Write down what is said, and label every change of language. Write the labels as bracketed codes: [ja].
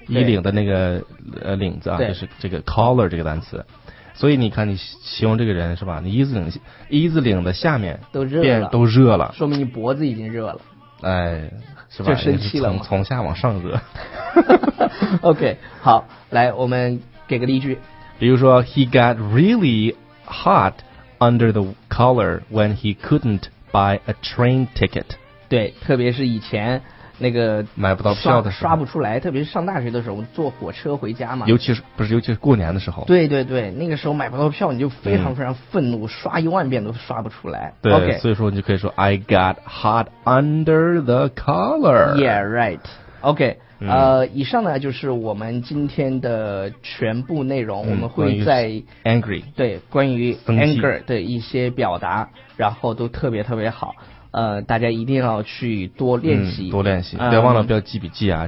[zh] 衣领的那个领子啊，就是这个 collar 这个单词。所以你看你形容这个人是吧，你衣子领的下面都热了，都热了，说明你脖子已经热了，哎，是吧，就生气了，从下往上热。 OK， 好，来我们给个例句，比如说 [en] He got really hot under the collar when he couldn't buy a train ticket。 [zh] 对，特别是以前那个买不到票的时候，刷不出来，特别是上大学的时候坐火车回家嘛，尤其是过年的时候，对对对，那个时候买不到票你就非常非常愤怒，刷一万遍都刷不出来，对、 [en] okay、 [zh] 所以说你就可以说 [en] I got hot under the collar。 [zh] Yeah right OK、以上呢就是我们今天的全部内容、我们会在 [en] angry [zh] 对关于 anger 的一些表达，然后都特别特别好，大家一定要去多练习、多练习，不要忘了不要记笔记啊，